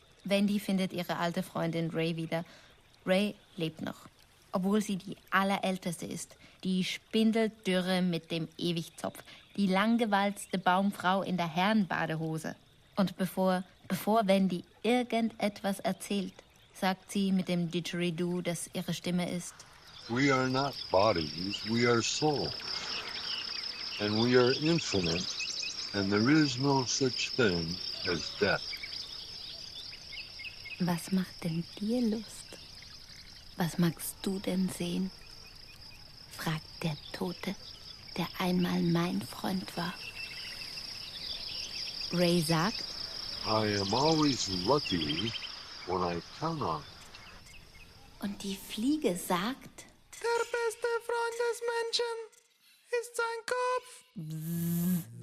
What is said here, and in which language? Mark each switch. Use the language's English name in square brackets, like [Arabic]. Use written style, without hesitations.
[German] Wendy findet ihre alte Freundin Ray wieder. Ray lebt noch, obwohl sie die allerälteste ist. Die Spindeldürre mit dem Ewigzopf. Die langgewalzte Baumfrau in der Herrenbadehose. Und bevor Wendy irgendetwas erzählt, sagt sie mit dem Didgeridoo, das ihre Stimme ist. [English] We are not bodies, we are souls. And we are infinite, and there is no such thing as death. [German] Was macht denn dir Lust? Was magst du denn sehen? Fragt der Tote, der einmal mein Freund war. Ray sagt, [English] I am always lucky when I cannot. [German] Und die Fliege sagt, der beste Freund des Menschen ist sein Kopf.